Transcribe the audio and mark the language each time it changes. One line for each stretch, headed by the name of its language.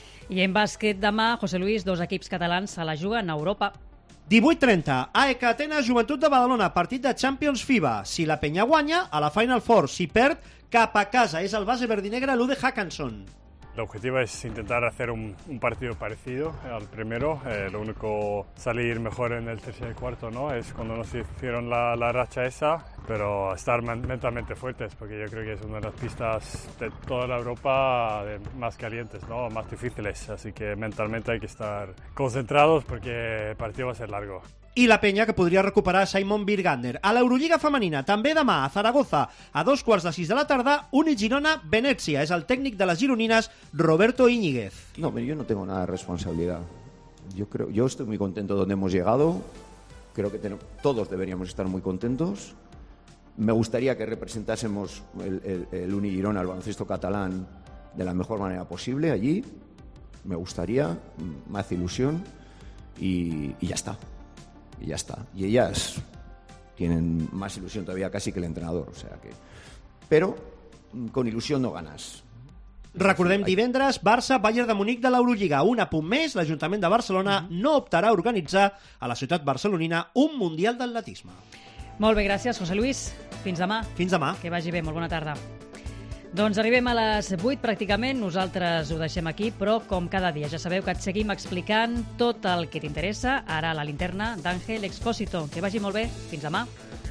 Catalan: I en bàsquet demà, José Luis, dos equips catalans se la juguen a Europa. 18:30, AEK Atenas, Joventut de Badalona, partit de Champions FIBA. Si la penya guanya, a la Final Four. Si perd, cap a casa. És el base verdinegre, Lude Håkansson.
Spanish: L'objetivo es intentar hacer un partido parecido al primero. Lo único, salir mejor en el tercer y cuarto, ¿no? Es cuando nos hicieron la racha esa. Pero estar mentalmente fuertes, porque yo creo que es una de las pistas de toda la Europa más calientes, ¿no? Más difíciles. Así que mentalmente hay que estar concentrados porque el partido va a ser largo.
Catalan: I la penya que podria recuperar Simon Birgander. A l'Eurolliga femenina, també demà, a Zaragoza, a 6:15 de la tarda, Unigirona-Venezia. És el tècnic de les gironines, Roberto Íñiguez.
Spanish: No, yo no tengo nada de responsabilidad. Yo estoy muy contento donde hemos llegado. Creo que todos deberíamos estar muy contentos. Me gustaría que representásemos el Unigirona, el baloncesto catalán, de la mejor manera posible allí. Me gustaría, me hace ilusión. Y ya está. y ya está. Y ellas tienen más ilusión todavía casi que el entrenador, o sea que... Pero con ilusión no ganas.
Catalan: Recordem, divendres, Barça-Bayern de Múnich de l'Eurolliga. Un apunt més, l'Ajuntament de Barcelona no optarà a organitzar a la ciutat barcelonina un Mundial d'Atletisme. Molt bé, gràcies, José Luis. Fins demà. Fins demà. Que vagi bé, molt bona tarda. Doncs arribem a les 8 pràcticament, nosaltres ho deixem aquí, però com cada dia, ja sabeu que et seguim explicant tot el que t'interessa, ara a la linterna d'Àngel Expósito. Que vagi molt bé, fins demà.